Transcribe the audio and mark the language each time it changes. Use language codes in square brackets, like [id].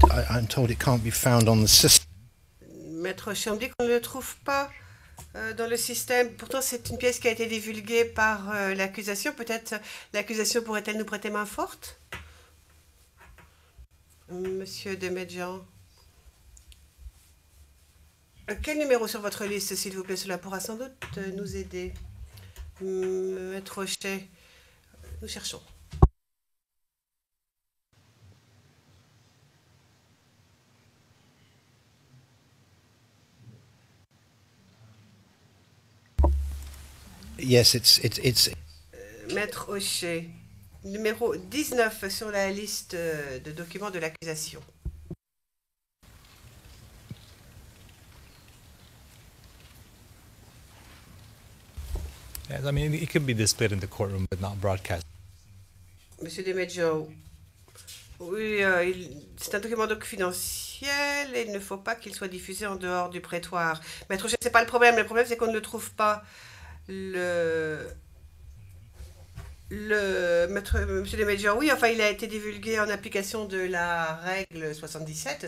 [en] I'm told it can't be found on the system. [fr] Maître Rocher, on dit qu'on ne le trouve pas dans le système. Pourtant, c'est une pièce qui a été divulguée par l'accusation. Peut-être l'accusation pourrait-elle nous prêter main forte, Monsieur Demedjian. Quel numéro sur votre liste, s'il vous plaît? Cela pourra sans doute nous aider. Maître Rocher, nous cherchons. [en] Yes, it's. [fr] Maître Rocher, numéro 19 sur la liste de documents de l'accusation. [en] Yes, I mean, it could be displayed in the courtroom, but not broadcast. [fr] Monsieur Demetjo, oui, c'est un document confidentiel et il ne faut pas qu'il soit diffusé en dehors du prétoire. Maître, ce n'est pas le problème. Le problème, c'est qu'on ne le trouve pas. Monsieur Demetjo, oui, enfin, il a été divulgué en application de la règle 77.